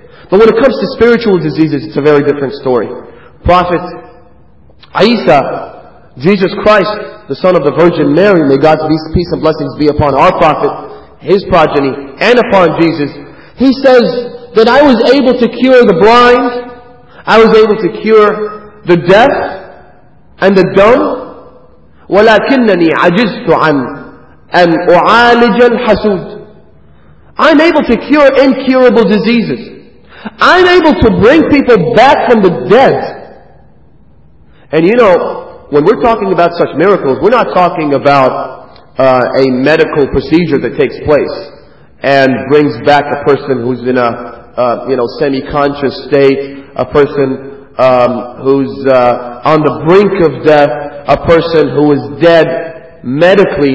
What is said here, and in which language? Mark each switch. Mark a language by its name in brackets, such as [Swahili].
[English] But when it comes to spiritual diseases, it's a very different story. Prophet Isa, Jesus Christ, the son of the Virgin Mary, may God's peace and blessings be upon our Prophet, his progeny, and upon Jesus, he says that I was able to cure the blind, I was able to cure the deaf, and the dumb. [Arabic] ولكنني عجزت عن أن أعالج الحسود. [English] I'm able to cure incurable diseases. I'm able to bring people back from the dead. And you know, when we're talking about such miracles, we're not talking about a medical procedure that takes place and brings back a person who's in a semi-conscious state, a person who's on the brink of death, a person who is dead medically.